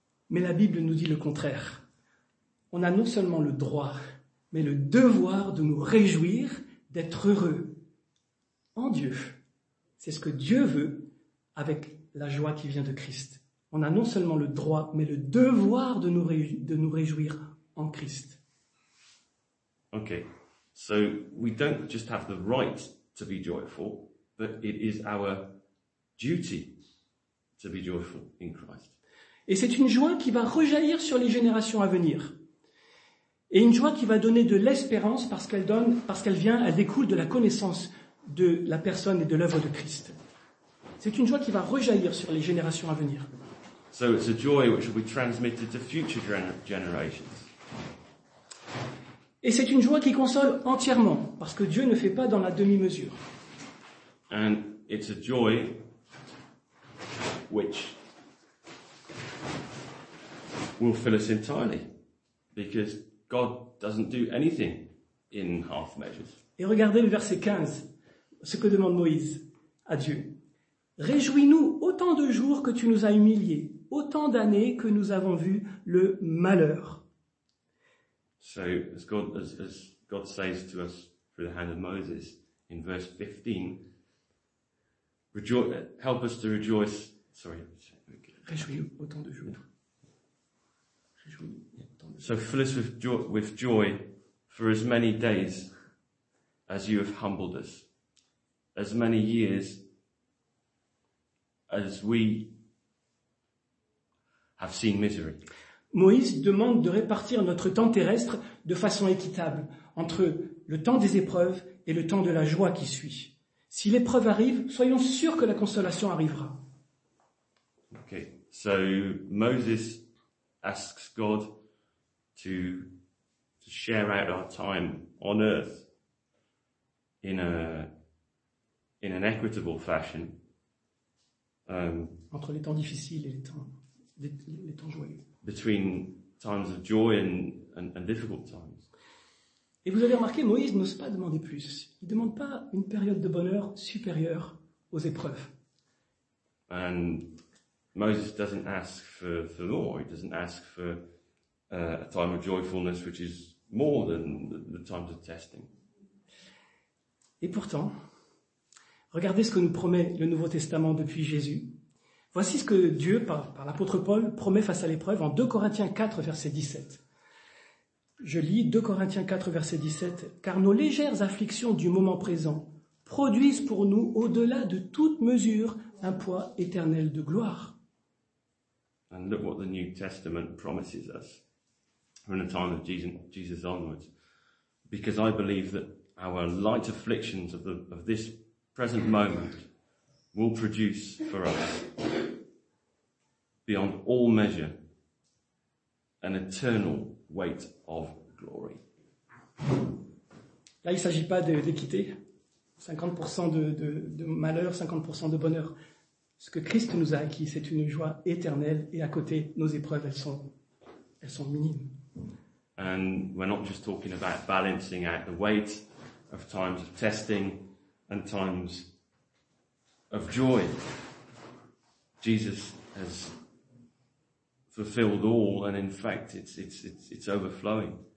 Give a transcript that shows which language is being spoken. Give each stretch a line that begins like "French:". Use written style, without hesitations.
French: Mais la Bible nous dit le contraire. On a non seulement le droit, mais le devoir de nous réjouir, d'être heureux en Dieu. C'est ce que Dieu veut avec la joie qui vient de Christ. On a non seulement le droit, mais le devoir de nous réjouir en Christ.
English: Okay, so we don't just have the right to be joyful, but it is our duty to be joyful in Christ.
French: Et c'est une joie qui va rejaillir sur les générations à venir. Et une joie qui va donner de l'espérance parce qu'elle découle de la connaissance de la personne et de l'œuvre de Christ. C'est une joie qui va rejaillir sur les générations à venir.
English: So it's a joy which will be transmitted to future generations.
French: Et c'est une joie qui console entièrement parce que Dieu ne fait pas dans la demi-mesure.
English: And it's a joy which will fill us entirely because God doesn't do anything in half measures.
French: Et regardez le verset 15, ce que demande Moïse à Dieu. Réjouis-nous autant de jours que tu nous as humiliés, autant d'années que nous avons vu le malheur.
English: So, as God says to us through the hand of Moses in verse 15, help us to rejoice. Sorry.
French: Réjouis autant de joie.
English: So fill us with joy for as many days as you have humbled us, as many years as we have seen misery.
French: Moïse demande de répartir notre temps terrestre de façon équitable entre le temps des épreuves et le temps de la joie qui suit. Si l'épreuve arrive, soyons sûrs que la consolation arrivera.
English: Okay, so Moses asks God to share out our time on earth in an equitable fashion.
French: Entre les temps difficiles et les temps joyeux.
English: Between times of joy and difficult times.
French: Et vous avez remarqué, Moïse n'ose pas demander plus. Il ne demande pas une période de bonheur supérieure aux épreuves.
English: And Moses doesn't ask for more. He doesn't ask for a time of joyfulness, which is more than the times of testing.
French: Et pourtant, regardez ce que nous promet le Nouveau Testament depuis Jésus. Voici ce que Dieu, par l'apôtre Paul, promet face à l'épreuve en 2 Corinthiens 4, verset 17. Je lis 2 Corinthiens 4, verset 17. « Car nos légères afflictions du moment présent produisent pour nous, au-delà de toute mesure, un poids éternel de gloire. »
English: And look what the New Testament promises us from the time of Jesus onwards. Because I believe that our light afflictions of this present moment will produce for us beyond all measure an eternal weight of glory.
French: Là, il ne s'agit pas d'équité. 50% de malheur, 50% de bonheur. Ce que Christ nous a acquis, c'est une joie éternelle, et à côté, nos épreuves, elles sont minimes.
English: And we're not just talking about balancing out the weight of times of testing and times of joy. Jesus has fulfilled all, and in fact, it's overflowing.